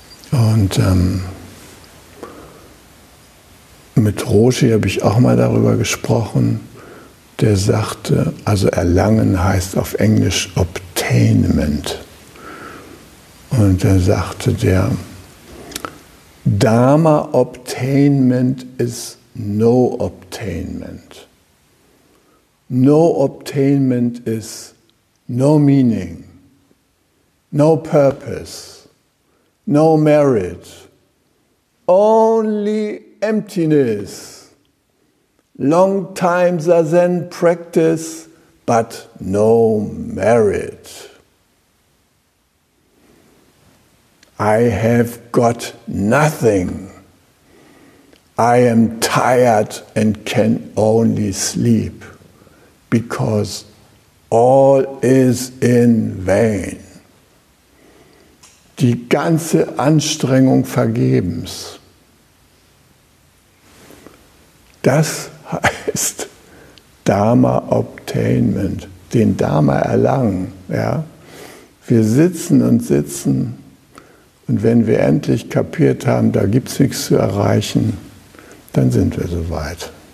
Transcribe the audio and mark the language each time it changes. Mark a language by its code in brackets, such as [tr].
[de] Und mit Roshi habe ich auch mal darüber gesprochen, der sagte, also erlangen heißt auf Englisch obtainment. Und er sagte, der [en] Dharma obtainment is no obtainment. No obtainment is no meaning, no purpose, no merit, only emptiness. Long time zazen practice, but no merit. I have got nothing. I am tired and can only sleep, because all is in vain. [de] Die ganze Anstrengung vergebens. Das heißt Dharma obtainment, den Dharma erlangen. Ja? Wir sitzen und sitzen, und wenn wir endlich kapiert haben, da gibt es nichts zu erreichen, dann sind wir soweit.